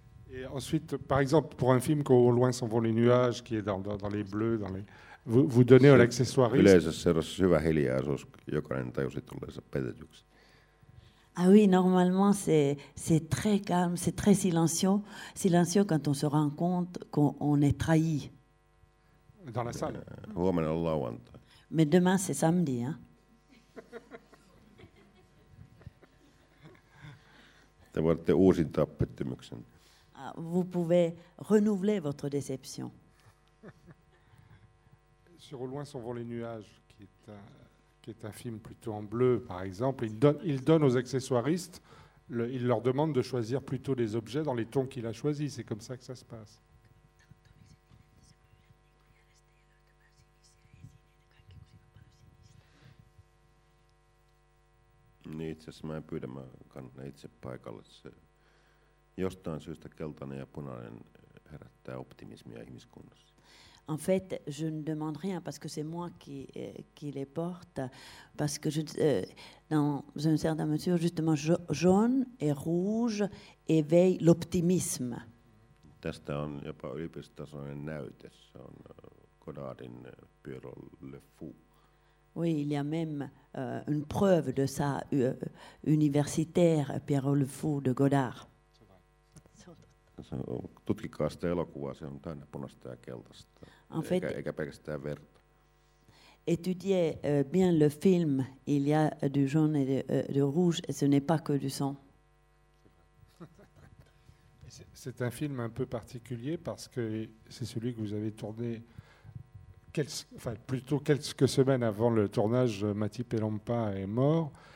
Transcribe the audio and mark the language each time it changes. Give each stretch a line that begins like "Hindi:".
French: Et ensuite, par exemple, pour un film qu'au loin s'en vont les nuages, qui est dans les bleus, vous donnez à l'accessoiriste.
Finnish: Yleensä se on hyvä hiljaisuus, jokainen tajusi tulleensa petetyksi.
French: Ah oui, normalement c'est très calme, c'est très silencieux, silencieux quand on se rend compte qu'on est trahi. Dans la salle.
Finnish: Huomenna on lauantai.
French: Mais demain c'est samedi, hein.
Finnish: Te voitte uusintaa pettymyksen.
French: Vous pouvez renouveler votre déception. Sur au loin s'en vont les nuages, qui est un film plutôt en bleu, par exemple. Il donne aux accessoiristes, il leur demande de choisir plutôt les objets dans les tons qu'il a choisis. C'est comme ça que ça se passe.
Finnish: Niin itse asiassa mä en pyydä, mä kannan itse paikalle. Se jostain syystä keltainen ja punainen herättää optimismia ihmiskunnassa.
French: En fait, je ne demande rien parce que c'est moi qui les porte. Parce que dans une certaine mesure, justement, jaune et rouge éveille l'optimisme.
Finnish: Tästä on jopa yliopistotasoinen näyte. Se on Godardin Pierrot le Fou.
French: Oui, il y a même une preuve de ça, universitaire, Pierrot le Fou de Godard.
Finnish: Tutkikaa sitä elokuvaa, se on täynnä punaista ja keltaista, eikä pelkästään verta.
French: Étudiez bien le film, il y a du jaune et du rouge, et ce n'est pas que du sang. C'est un film un peu particulier, parce que c'est celui que vous avez tourné quelques semaines avant le tournage, Matip et Lampa est mort.